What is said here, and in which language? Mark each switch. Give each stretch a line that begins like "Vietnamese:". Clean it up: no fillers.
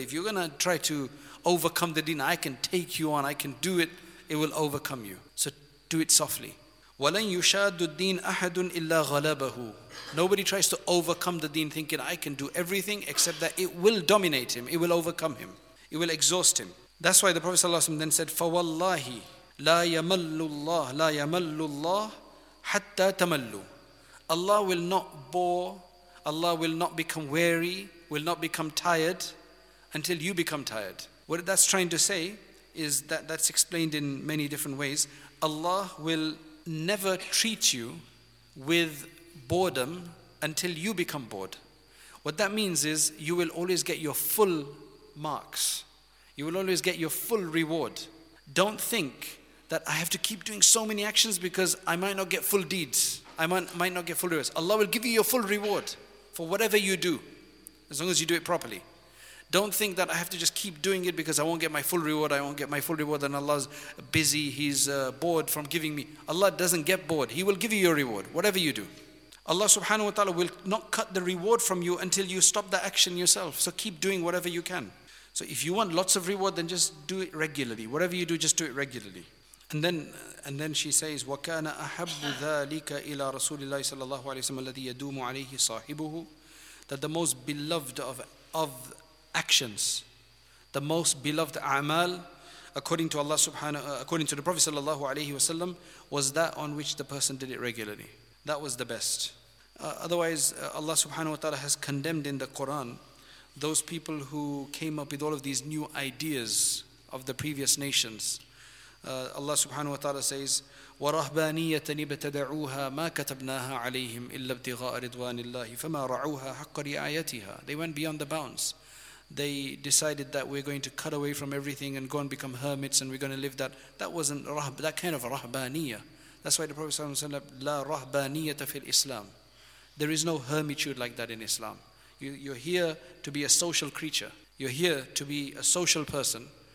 English: If you're going to try to overcome the deen, I can take you on, I can do it, it will overcome you. So do it softly.
Arabic: وَلَنْ يُشَادُ الدِّينَ أَحَدٌ إِلَّا غَلَبَهُ.
English: Nobody tries to overcome the deen thinking, I can do everything, except that it will dominate him, it will overcome him, it will exhaust him. That's why the Prophet ﷺ then said,
Arabic: فَوَاللَّهِ لَا يَمَلُّ اللَّهِ لَا يَمَلُّ اللَّهِ حَتَّى تَمَلُّ.
English: Allah will not bore, Allah will not become weary, will not become tired, until you become tired. What that's trying to say is that that's explained in many different ways. Allah will never treat you with boredom until you become bored. What that means is you will always get your full marks. You will always get your full reward. Don't think that I have to keep doing so many actions because I might not get full deeds. I might not get full rewards. Allah will give you your full reward for whatever you do, as long as you do it properly. Don't think that I have to just keep doing it because I won't get my full reward. I won't get my full reward and Allah's busy. He's bored from giving me. Allah doesn't get bored. He will give you your reward, whatever you do. Allah subhanahu wa ta'ala will not cut the reward from you until you stop the action yourself. So keep doing whatever you can. So if you want lots of reward, then just do it regularly. Whatever you do, just do it regularly. And then she says,
Arabic: وَكَانَ أَحَبُّ ذَٰلِكَ إِلَى رَسُولِ اللَّهِ صَلَى اللَّهُ عَلَيْهِ وَسَلَّمَ الَّذِي يَدُومُ عَلَيْهِ صَاحِبُهُ.
English: That the most beloved of actions, the most beloved a'mal, according to Allah according to the Prophet sallallahu alayhi wasallam, was that on which the person did it regularly. That was the best. Otherwise, Allah subhanahu wa ta'ala has condemned in the Quran those people who came up with all of these new ideas of the previous nations. Allah subhanahu wa ta'ala says,
Arabic: وَرَهْبَانِيَّةً ابْتَدَعُوهَا مَا كَتَبْنَاهَا عَلَيْهِمْ إِلَّا ابْتِغَاءَ رِضْوَانِ اللَّهِ فَمَا رَعُوهَا حَقَّ رِعَايَتِهَا.
English: They went beyond the bounds. They decided that we're going to cut away from everything and go and become hermits and we're going to live that. That wasn't that kind of rahbaniya. That's why the Prophet ﷺ said,
Arabic: لَا رَهْبَانِيَّةَ فِي الْإِسْلَامِ.
English: There is no hermitude like that in Islam. You're here to be a social creature. You're here to be a social person.